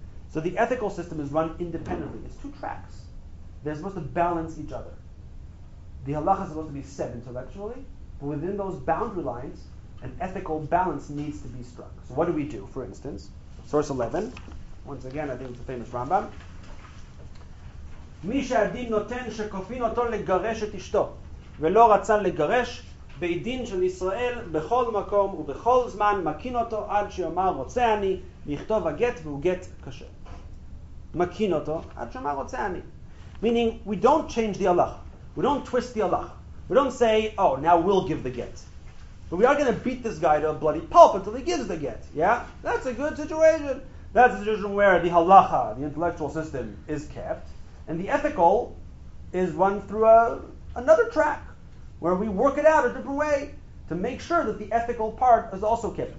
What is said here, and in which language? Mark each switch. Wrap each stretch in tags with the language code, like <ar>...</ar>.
<en>So the ethical system is run independently. It's two tracks. They're supposed to balance each other. The halacha is supposed to be said intellectually, but within those boundary lines, an ethical balance needs to be struck. So what do we do, for instance? Source 11. Once again, I think it's the famous Rambam.</en> <he>מי שהדין נותן שכופין אותו לגרש את אשתו ולא רצה לגרש בעידין של ישראל בכל מקום ובכל זמן מכין אותו עד שיאמר רוצה אני ויכתוב הגט והוא גט קשה. מכין אותו עד שיאמר רוצה אני.</he> <en>Meaning, we don't change the halach. We don't twist the halach. We don't say, oh, now we'll give the get. But we are going to beat this guy to a bloody pulp until he gives the get. Yeah? That's a good situation. That's a situation where the halacha, the intellectual system, is kept. And the ethical is run through another track where we work it out a different way to make sure that the ethical part is also kept.</en>